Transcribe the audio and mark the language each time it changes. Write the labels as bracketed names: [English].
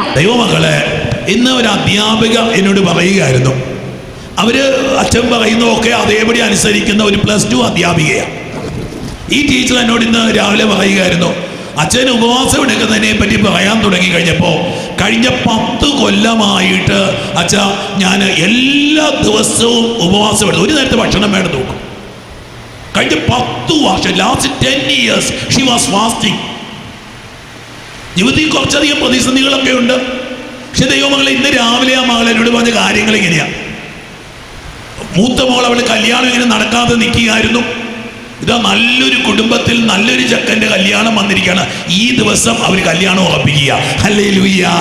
[Malayalam] ദൈവമക്കളെ, ഇന്ന് ഒരു അധ്യാപിക എന്നോട് പറയുകയായിരുന്നു, അവര് അച്ഛൻ പറയുന്നതൊക്കെ അതേപടി അനുസരിക്കുന്ന ഒരു പ്ലസ് ടു അധ്യാപികയാണ്. ഈ ടീച്ചർ എന്നോട് ഇന്ന് രാവിലെ പറയുകയായിരുന്നു, അച്ഛന് ഉപവാസം എടുക്കുന്നതിനെ പറ്റി പറയാൻ തുടങ്ങി കഴിഞ്ഞപ്പോൾ കഴിഞ്ഞ 10 കൊല്ലമായിട്ട് അച്ഛ ഞാൻ എല്ലാ ദിവസവും ഉപവാസം എടുത്തു, ഒരു നേരത്തെ ഭക്ഷണം വേണം നോക്കും. കഴിഞ്ഞ 10 വർഷം, [English] last 10 years, she was fasting. [Malayalam] ജീവിതത്തിൽ കുറച്ചധികം പ്രതിസന്ധികളൊക്കെ ഉണ്ട്, പക്ഷെ ദൈവമകളെ ഇന്ന് രാവിലെ ആ മകൾ എന്നോട് പറഞ്ഞ കാര്യങ്ങൾ ഇങ്ങനെയാണ്. മൂത്ത മോൾ അവൾ കല്യാണം ഇങ്ങനെ നടക്കാതെ നിൽക്കുകയായിരുന്നു. ഇതാ നല്ലൊരു കുടുംബത്തിൽ നല്ലൊരു ചക്കൻ്റെ കല്യാണം വന്നിരിക്കുകയാണ്. ഈ ദിവസം അവർ കല്യാണം ഉറപ്പിക്കുക. ഹല്ലേലൂയാ.